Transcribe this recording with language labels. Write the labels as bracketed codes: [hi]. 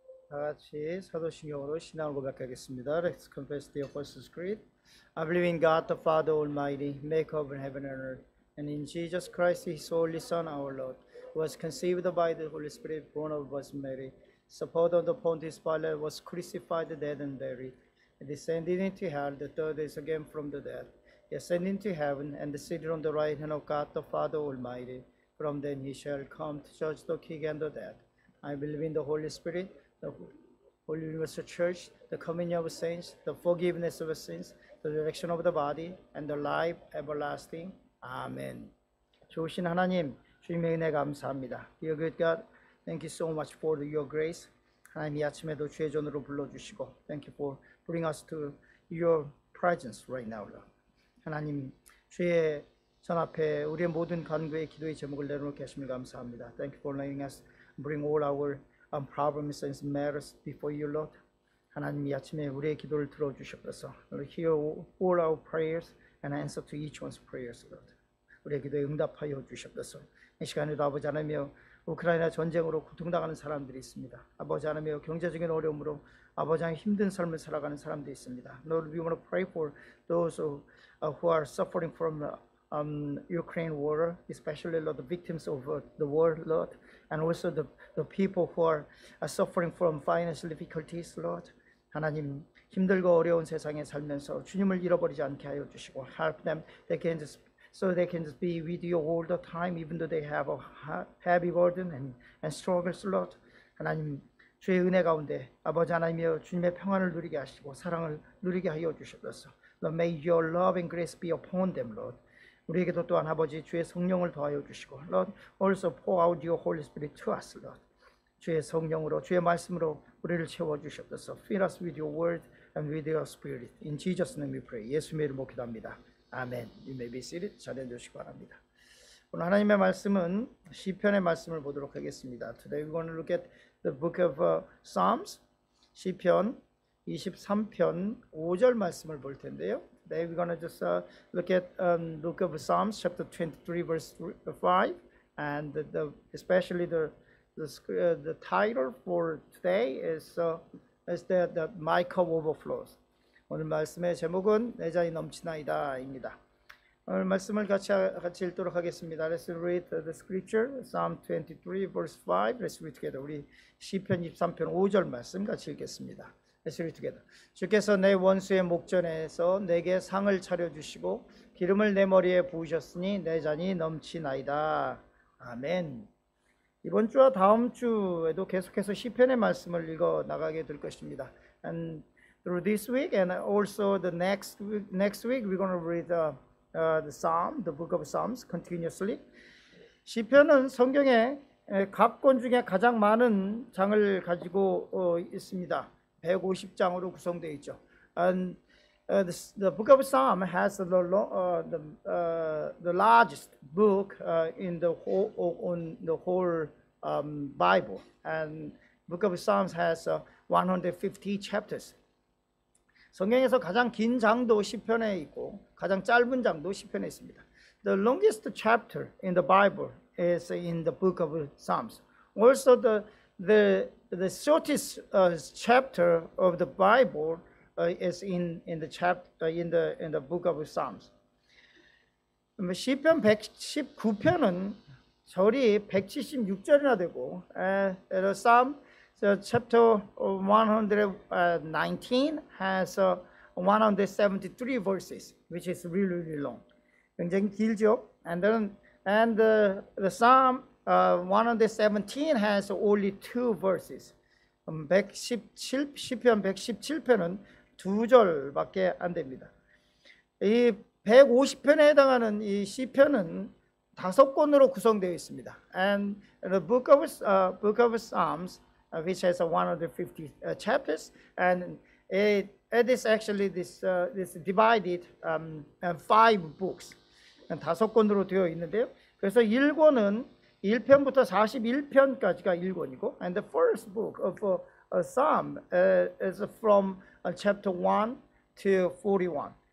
[ko] 다같이 사도신경으로 신앙을 고백하겠습니다. [en] Let's confess the Apostles' Creed. I believe in God, the Father Almighty, maker of heaven and earth, and in Jesus Christ, His only Son, our Lord, who was conceived by the Holy Spirit, born of Virgin Mary, suffered under Pontius Pilate, was crucified, dead, and buried, and descended into hell the third day again from the dead. He ascended into heaven and is seated on the right hand of God, the Father Almighty. From then He shall come to judge the quick and the dead. I believe in the Holy Spirit, the Holy Universal Church, the communion of saints, the forgiveness of sins, the resurrection of the body, and the life everlasting. Amen. [ko] 좋으신 하나님, 주님의 은혜 감사합니다. [en] Dear good God, thank you so much for your grace. [ko] 하나님 이 아침에도 주의 전으로 불러주시고, [en] thank you for bring us to your presence right now, Lord. [ko] 하나님, 주의 전 앞에 우리의 모든 간구의 기도의 제목을 내려놓게 하심을 감사합니다. [en] Thank you for letting us bring all our problems and matters before you, Lord. [ko] 하나님, 이 아침에 우리의 기도를 들어주셔서 [en] Lord, hear all our prayers and answer to each one's prayers, Lord. [ko] 우리의 기도에 응답하여 주셔서 이 시간에도 아버지 하나님이여 우크라이나 전쟁으로 고통당하는 사람들이 있습니다. 아버지 하나님이여 경제적인 어려움으로 아버지 하나님 힘든 삶을 살아가는 사람들이 있습니다. [en] Lord, we want to pray for those who are suffering from Ukraine war, especially Lord, the victims of the war, Lord, and also the people who are suffering from financial difficulties, Lord. [ko] 하나님, 힘들고 어려운 세상에 살면서 주님을 잃어버리지 않게 하여 주시고, [en] help them, they can just, so they can just be with you all the time, even though they have a heavy burden and struggles, Lord. [ko] 하나님, 주의 은혜 가운데 아버지 하나님이여 주님의 평안을 누리게 하시고 사랑을 누리게 하여 주시옵소서. [en] Lord, may your love and grace be upon them, Lord. [ko] 우리에게도 또한 아버지 주의 성령을 더하여 주시고 [en] Lord, also pour out your Holy Spirit to us, Lord. [ko] 주의 성령으로, 주의 말씀으로 우리를 채워주시옵소서. [en] Fill us with your word and with your spirit. In Jesus' name we pray. [ko] 예수님의 이름으로 기도합니다. [en] 아멘. You may be seated. [ko] 자리해 주시기 바랍니다. 오늘 하나님의 말씀은 시편의 말씀을 보도록 하겠습니다. [en] Today we're going to look at the book of Psalms, [ko] 시편 23편 5절 말씀을 볼 텐데요. [en] Today we're going to just look at the book of Psalms, chapter 23, verse 5, and especially the title for today is that My Cup Overflows. [ko] 오늘 말씀의 제목은 내 잔이 넘치나이다입니다. 오늘 말씀을 같이 읽도록 하겠습니다. [en] Let's read the scripture, Psalm 23, verse 5. Let's read together. [ko] 우리 시편 23편 5절 말씀 같이 읽겠습니다. [en] Let's read together. [ko] 주께서 내 원수의 목전에서 내게 상을 차려주시고 기름을 내 머리에 부으셨으니 내 잔이 넘치나이다. 아멘. 이번 주와 다음 주에도 계속해서 시편의 말씀을 읽어 나가게 될 것입니다. [en] And through this week and also the next week we're going to read the book of Psalms continuously. [ko] 시편은 성경의 각 권 중에 가장 많은 장을 가지고 있습니다. 150장으로 구성되어 있죠. [en] And the book of Psalms has the largest book in the whole on the whole Bible. And book of Psalms has 150 chapters. [ko] 성경에서 가장 긴 장도 시편에 있고 가장 짧은 장도 시편에 있습니다. [en] The longest chapter in the Bible is in the book of Psalms. Also the shortest chapter of the Bible is in the chapter in the book of Psalms. [ko] 시편 119편은 절이 176절이나 되고 [en] the Psalm The chapter 119 has 173 verses, which is really, really long. [ko] 굉장히 길죠? [en] And the Psalm 117 has only two verses. [ko] 시편 117편은 두 절밖에 안 됩니다. 이 150편에 해당하는 이 시편은 다섯 권으로 구성되어 있습니다. [en] And the book of Psalms which has 150 chapters, and it is actually this divided five books, [ko] 다섯 권으로 되어 있는데요. 그래서 1권은 1편부터 41편까지가 1권이고, [en] and the first book of a Psalm is from chapter 1 to 41.